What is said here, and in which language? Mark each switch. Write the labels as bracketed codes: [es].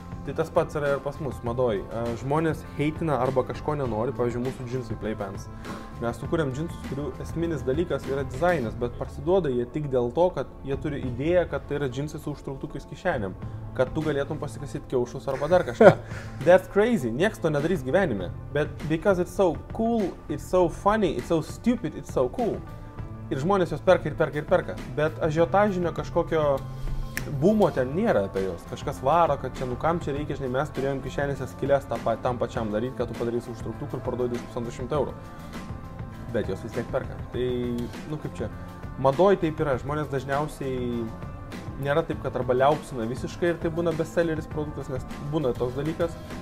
[lt] Tai tas pats yra ir pas mus, madoj. Žmonės heitina arba kažko nenori, pavyzdžiui, mūsų džinsai play pants. Mes sukūrėm džinsus, kurių esminis dalykas yra dizainas, bet parsiduoda jie tik dėl to, kad jie turi idėją, kad tai yra džinsai su užtrauktukais kišenėm, kad tu galėtum pasikasyti kiaušus arba dar kažką. [en] That's crazy, [lt] nieks to nedarys gyvenime. [en] But because it's so cool, it's so funny, it's so stupid, it's so cool. [lt] Ir žmonės jos perka ir perka ir perka. Bet ažiotažinio kažkokio bumo ten nėra apie jos. Kažkas varo, kad čia nukam čia reikia, žinai, mes turėjom kišenėse skilės tam pačiam daryti, kad tu padarysi užtrauktuką ir parduodys 200 eurų. bet jos vis tiek perka. Tai, nu kaip čia, madoj taip yra, žmonės dažniausiai nėra taip, kad arba liaupsina visiškai ir tai būna bestselleris produktas, nes būna toks dalykas.